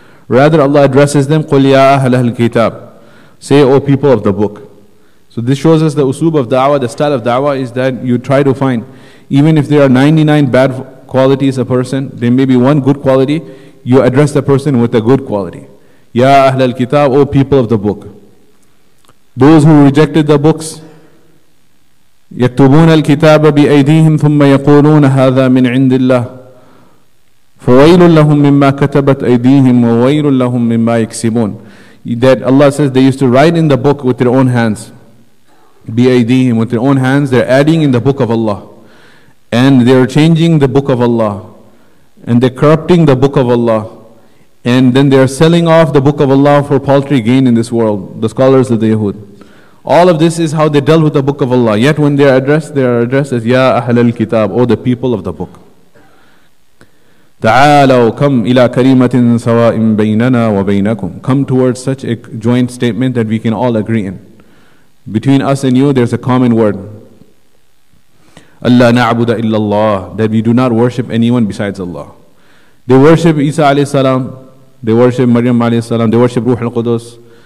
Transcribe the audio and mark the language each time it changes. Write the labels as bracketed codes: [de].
[en] Rather, Allah addresses them, [ar] قُلْ يَا أَهْلَ الْكِتَابِ, [en] say, O people of the book. So this shows us the usub of da'wah, the style of da'wah is that you try to find, even if there are 99 bad qualities a person, there may be one good quality, you address the person with a good quality. [ar] Ya Ahl al-Kitab, [en] O people of the book. Those who rejected the books, [ar] يَكْتُبُونَ الْكِتَابَ بِأَيْدِيهِمْ ثُمَّ يَقُولُونَ هَذَا مِنْ عِنْدِ اللَّهِ فَوَيْلٌ لَهُمْ مِمَّا كَتَبَتْ أَيْدِيهِمْ وَوَيْلٌ لَهُمْ مِمَّا يَكْسِبُونَ. [en] That Allah says they used to write in the book with their own hands. بأيديهم, with their own hands, they're adding in the book of Allah. And they're changing the book of Allah. And they're corrupting the book of Allah. And then they're selling off the book of Allah for paltry gain in this world, the scholars of the Yahud. All of this is how they dealt with the book of Allah. Yet when they are addressed as [ar] Ya Ahl al-Kitab, [en] or the people of the book. [ar] تعالوا كم إلى كريمة سواء بيننا وبينكم. [en] Come towards such a joint statement that we can all agree in. Between us and you, there's a common word. [ar] Allah na'buda illallah, [en] that we do not worship anyone besides Allah. They worship Isa alayhi salam, they worship Maryam alayhi salam, they worship Ruh al-Qudus,